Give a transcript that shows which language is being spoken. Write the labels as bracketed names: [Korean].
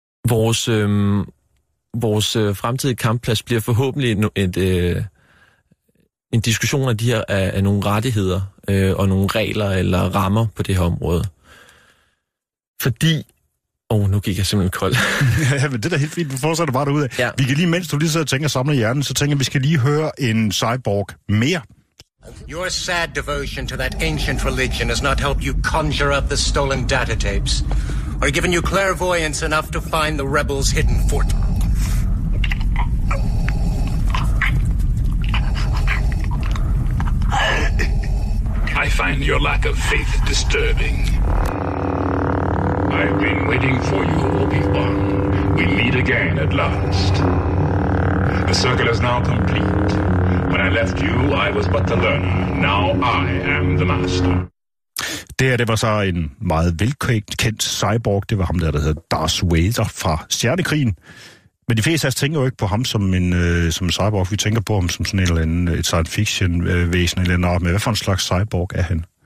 [Danish] Vores fremtidige kampplads bliver forhåbentlig en diskussion af de her af nogle rettigheder og nogle regler eller rammer på det her område. Fordi, nu gik jeg simpelthen kold. Ja, men det er da helt fint, du fortsætter bare derude. Ja. Vi kan lige, mens du lige sidder og tænker og samler hjernen, så tænker vi skal lige høre en cyborg mere. [English] Your sad devotion to that ancient religion has not helped you conjure up the stolen data tapes, or given you clairvoyance enough to find the rebels' hidden fort. I find your lack of faith disturbing. I've been waiting for you, Obi-Wan. We meet again at last. The circle is now complete. When I left you, I was but the learner. Now I am the master. [Danish] Det var så en meget velkendt cyborg. Det var ham der hedder Darth Vader fra Stjernekrigen. Men de fleste af os tænker jo ikke på ham som en som cyborg. Vi tænker på ham som sådan et science fiction væsen eller noget. Men hvad for en slags cyborg er han?